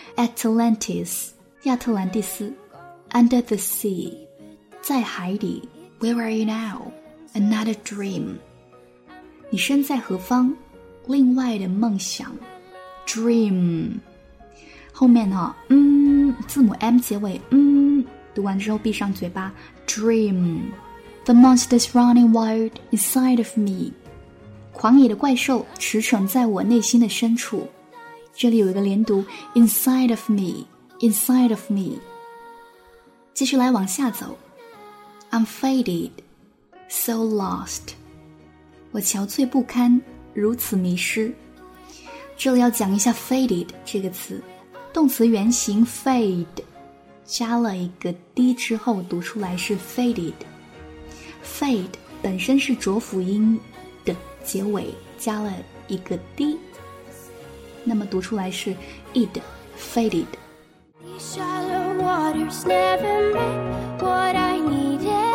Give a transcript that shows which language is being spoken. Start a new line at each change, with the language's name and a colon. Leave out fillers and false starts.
Chinese: Atlantis, 亚特兰蒂斯。
English: Under the sea,
Chinese: 在海底。
English: Where are you now? Another dream.
Chinese: 你身在何方？另外的梦想。Dream. 后面呢？字母 M 结尾。读完之后闭上嘴巴。Dream.
English: The monster's running wild inside of me.
Chinese: 狂野的怪兽驰骋在我内心的深处，这里有一个连读 inside of me, inside of me。继续来往下走 ，
English: I'm faded, so lost。
Chinese: 我憔悴不堪，如此迷失。这里要讲一下 faded 这个词，动词原形 fade， 加了一个 d 之后读出来是 faded。 fade 本身是浊辅音。结尾加了一个 d， 那么读出来是 id faded。
English: These shallow waters never met what I needed.